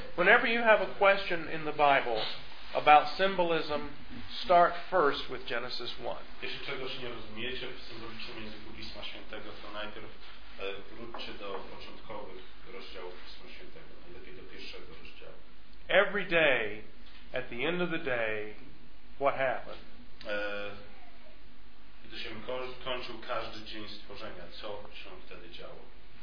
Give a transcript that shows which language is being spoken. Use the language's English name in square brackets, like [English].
[English] Whenever you have a question in the Bible about symbolism, start first with Genesis 1. [Polish] Jeśli czegoś nie rozumiecie w symbolicznym języku Pisma Świętego, to najpierw wróćcie do początkowych rozdziałów Pisma Świętego, najlepiej do pierwszego rozdziału. [English] Every day, at the end of the day, what happened? [Polish] Gdy się kończył każdy dzień stworzenia, co się wtedy działo?